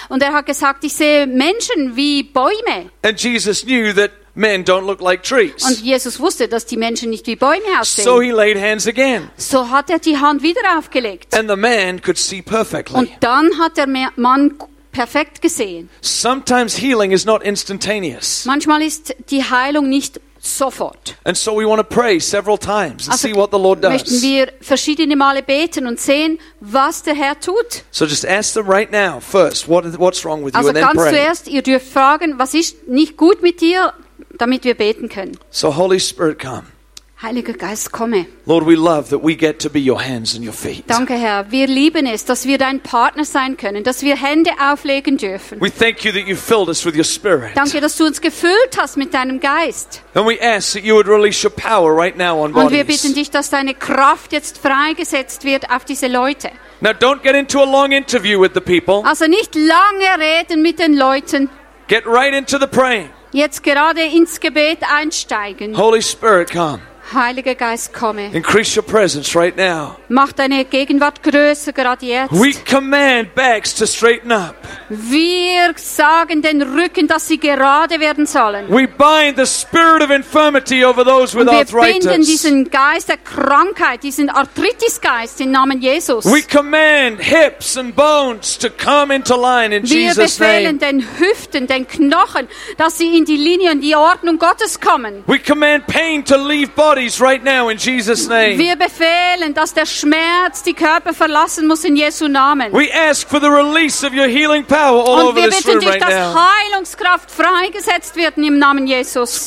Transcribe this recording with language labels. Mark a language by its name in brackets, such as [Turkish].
[German] Und er hat gesagt, ich sehe Menschen wie Bäume. [English] And Jesus knew that men don't look like trees. [German] Und Jesus wusste, dass die Menschen nicht wie Bäume aussehen. [English] So he laid hands again. [German] So hat die Hand wieder aufgelegt. [English] And the man could see perfectly. [German] Und dann hat der Mann perfekt gesehen. [English] Sometimes healing is not instantaneous. [German] Manchmal ist die Heilung nicht sofort. [English] And so we want to pray several times and see what the Lord does. [German] Möchten wir verschiedene Male beten und sehen, was der Herr tut. [English] So just ask them right now first, what's wrong with you, and then pray. [German] Also ganz zuerst, ihr dürft fragen, was ist nicht gut mit dir, damit wir beten können. [English] So Holy Spirit, come. [German] Heiliger Geist, komme. [English] Lord, we love that we get to be your hands and your feet. [German] Danke, Herr. Wir lieben es, dass wir dein Partner sein können, dass wir Hände auflegen dürfen. [English] We thank you that you filled us with your Spirit. [German] Danke, dass du uns gefüllt hast mit deinem Geist. [English] And we ask that you would release your power right now on bodies. [German] Und wir bitten dich, dass deine Kraft jetzt freigesetzt wird auf diese Leute. [English] Now don't get into a long interview with the people. [German] Also nicht lange reden mit den Leuten. [English] Get right into the praying. [German] Jetzt gerade ins Gebet einsteigen. [English] Holy Spirit, come. [German] Heiliger Geist, komme. [English] Increase your presence right now. [German] Mach deine Gegenwart größer gerade jetzt. [English] We command backs to straighten up. [German] Wir sagen den Rücken, dass sie gerade werden sollen. [English] We bind the spirit of infirmity over those with arthritis. [German] Wir binden diesen Geist der Krankheit, diesen Arthritis-Geist im Namen Jesus. [English] We command hips and bones to come into line in Jesus' name. [German] Wir befehlen den Hüften, den Knochen, dass sie in die Linie und die Ordnung Gottes kommen. [English] We command pain to leave bodies right now in Jesus' name. [German] Wir befehlen, dass der Schmerz die Körper verlassen muss in Jesu Namen. [English] We ask for the release of your healing power all [German] Und [English] over this room [German] dich, [English] right now. [German] Wir bitten dich, dass Heilungskraft freigesetzt wird im Namen Jesus.